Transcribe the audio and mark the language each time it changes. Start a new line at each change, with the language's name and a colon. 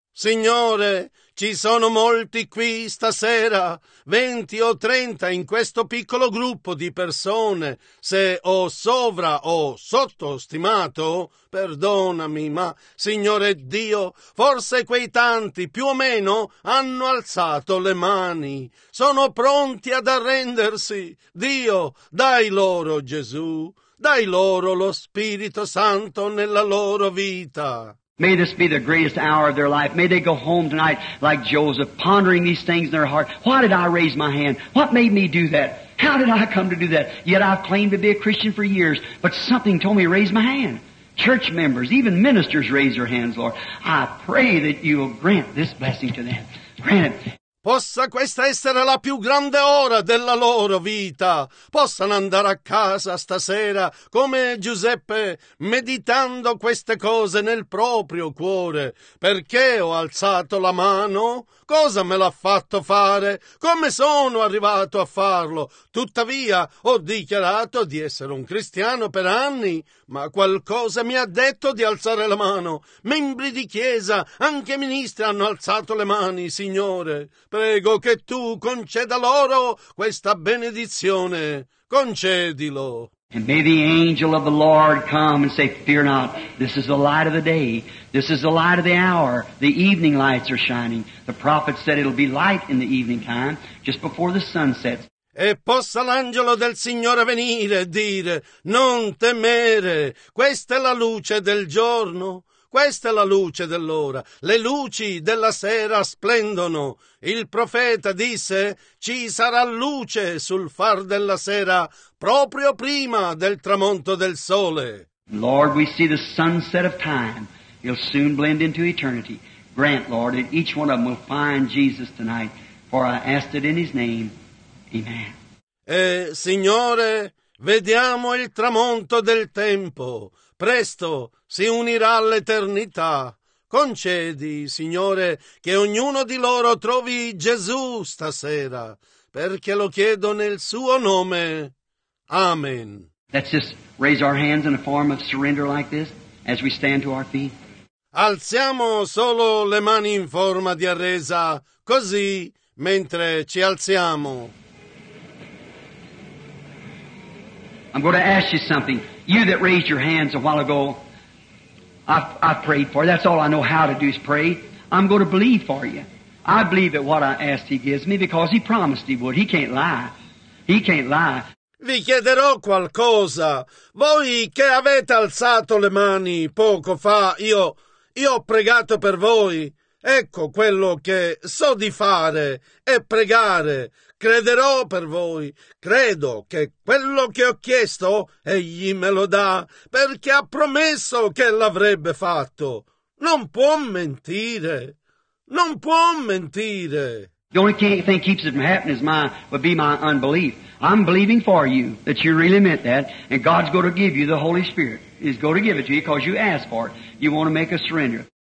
Italian: Signore, ci sono molti qui stasera, 20 o 30 in questo piccolo gruppo di persone. Se ho sovra o sottostimato, perdonami, ma Signore Dio, forse quei tanti più o meno hanno alzato le mani. Sono pronti ad arrendersi. Dio, dai loro Gesù. Dai loro lo Spirito Santo nella loro vita.
English: May this be the greatest hour of their life. May they go home tonight like Joseph, pondering these things in their heart. Why did I raise my hand? What made me do that? How did I come to do that? Yet I've claimed to be a Christian for years, but something told me to raise my hand. Church members, even ministers raise their hands, Lord. I pray that you'll grant this blessing to them. Grant it.
Italian: Possa questa essere la più grande ora della loro vita. Possano andare a casa stasera come Giuseppe, meditando queste cose nel proprio cuore. Perché ho alzato la mano? Cosa me l'ha fatto fare? Come sono arrivato a farlo? Tuttavia, ho dichiarato di essere un cristiano per anni, ma qualcosa mi ha detto di alzare la mano. Membri di chiesa, anche ministri hanno alzato le mani, Signore. Prego che tu conceda loro questa benedizione. Concedilo.
English: And may the angel of the Lord come and say, fear not, this is the light of the day, this is the light of the hour, the evening lights are shining. The prophet said it'll be light in the evening time, just before the sun sets.
Italian: E possa l'angelo del Signore venire e dire, non temere, questa è la luce del giorno. Questa è la luce dell'ora. Le luci della sera splendono. Il profeta disse, ci sarà luce sul far della sera proprio prima del tramonto del sole.
English: Lord, we see the sunset of time. It'll soon blend into eternity. Grant, Lord, that each one of them will find Jesus tonight. For I ask it in his name. Amen.
Italian: E, Signore, vediamo il tramonto del tempo. Presto si unirà all'eternità. Concedi, Signore, che ognuno di loro trovi Gesù stasera, perché lo chiedo nel suo nome. Amen.
English: Let's just raise our hands in a form of surrender like this, as we stand to our feet.
Italian: Alziamo solo le mani in forma di arresa, così, mentre ci alziamo.
English: I'm going to ask you something. You that raised your hands a while ago, I've prayed for. That's all I know how to do is pray. I'm going to believe for you. I believe that what I asked he gives me because he promised he would. He can't lie. He can't lie.
Italian: Vi chiederò qualcosa. Voi che avete alzato le mani poco fa, io ho pregato per voi. Ecco quello che so di fare è pregare. Crederò per voi. Credo che quello che ho chiesto, egli me lo dà, perché ha promesso che l'avrebbe fatto. Non può mentire. Non può mentire.
English: The only thing keeps it from happening is would be my unbelief. I'm believing for you that you really meant that, and God's going to give you the Holy Spirit. He's going to give it to you because you asked for it. You want to make a surrender.